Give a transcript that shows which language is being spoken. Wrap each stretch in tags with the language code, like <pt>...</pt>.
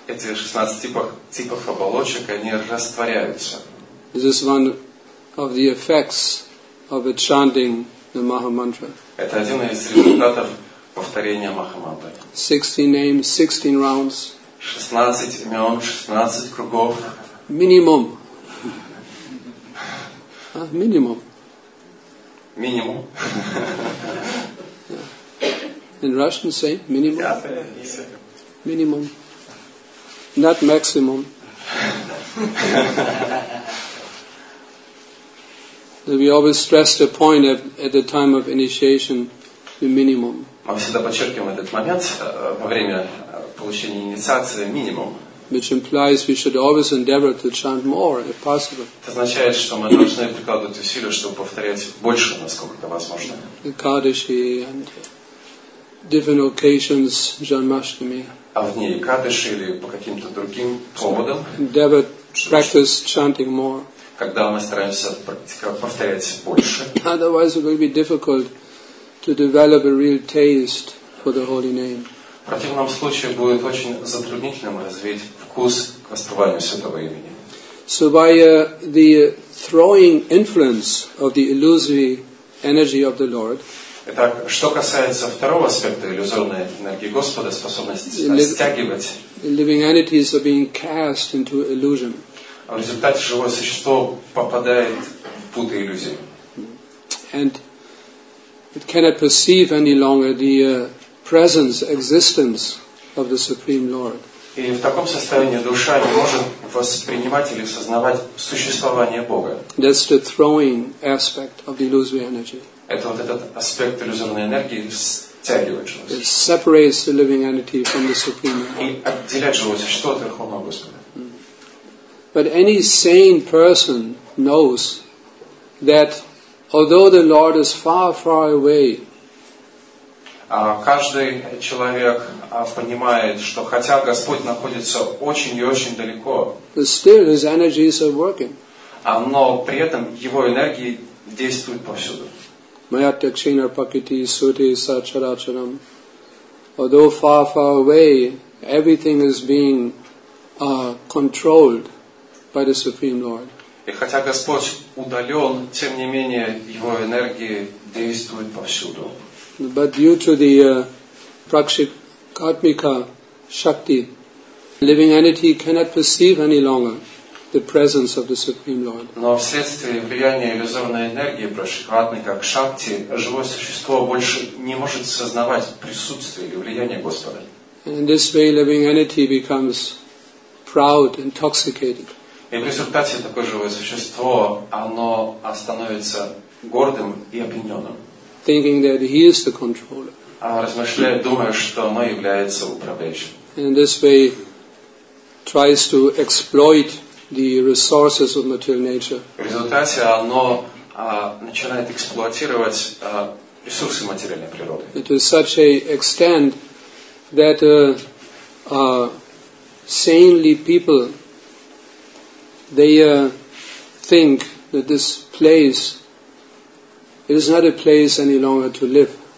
<ru>Эти 16 типов оболочек, они растворяются.</ru> <en>This is one of the effects of chanting the Maha Mantra.</en> <ru>Это один из результатов повторения Маха Мантры.</ru> <en>16 names, 16 rounds.</en> <ru>16 имен, 16 кругов.</ru> <en>Minimum. Minimum. Minimum. In Russian, say minimum. Yeah. Minimum. Not maximum. We always stress the point of, at the time of initiation, the minimum.</en> <ru>Мы всегда подчеркиваем этот момент во время получения инициации минимум.</ru> <en>Which implies we should always endeavor to chant more, if possible.</en> <ru>Это означает, что мы должны прикладывать усилия, чтобы повторять больше, насколько это возможно.</ru> <en>Экадаши and different occasions, Janmashtami.</en> <ru>А в дни Экадаши или по каким-то другим поводам.</ru> <en>Endeavor practice chanting more.</en> <ru>Когда мы стараемся повторять больше.</ru> <en>Otherwise, it will be difficult to develop a real taste for the holy name.</en> <ru>В противном случае будет очень затруднительным развить вкус к воспеванию святого имени.</ru> <en>So by the throwing influence of the illusory energy of the Lord.</en> <ru>Итак, что касается второго аспекта иллюзорной энергии Господа, способности стягивать.</ru> <en>Living entities are being cast into illusion.</en> <ru>В результате живое существо попадает в путы иллюзии.</ru> <en>And it cannot perceive any longer the presence, existence of the Supreme Lord.</en> <ru>И в таком состоянии душа не может воспринимать или сознавать существование Бога.</ru> <en>That's the throwing aspect of the illusory energy.</en> <ru>Это вот этот аспект иллюзорной энергии стягивает живое.</ru> <en>It separates the living entity from the Supreme Lord.</en> <ru>И отделяет живое существо от Верховного Господа.</ru> <en>But any sane person knows that although the Lord is far, far away,</en> <ru>каждый человек понимает, что хотя Господь находится очень и очень далеко,</ru> <en>still his energies are working.</en> <ru>Но при этом его энергии действуют повсюду.</ru> <sa>Mayatyakshinar pakiti suti sacharacharam.</sa> <en>Although far, far away, everything is being controlled by the Supreme Lord.</en> <ru>И хотя Господь удален, тем не менее его энергии действуют повсюду.</ru> <en>But due to the prakshikatmika shakti, living entity cannot perceive any longer the presence of the Supreme Lord.</en> <ru>Но вследствие влияния иллюзорной энергии прашикатмика к шакти, живое существо больше не может сознавать присутствие или влияние Господа.</ru> <en>And in this way, living entity becomes proud, intoxicated.</en> <ru>И в результате такое живое существо, оно становится гордым и опьяненным.</ru> <en>Thinking that he is the controller.</en> <ru>Размышляя, думая, что оно является управляющим.</ru> <en>In this way, tries to exploit the resources of material nature.</en> <ru>В результате оно начинает эксплуатировать ресурсы материальной природы.</ru> <en>To such an extent that sanely people they think that this place it is not a place any longer to live.</en>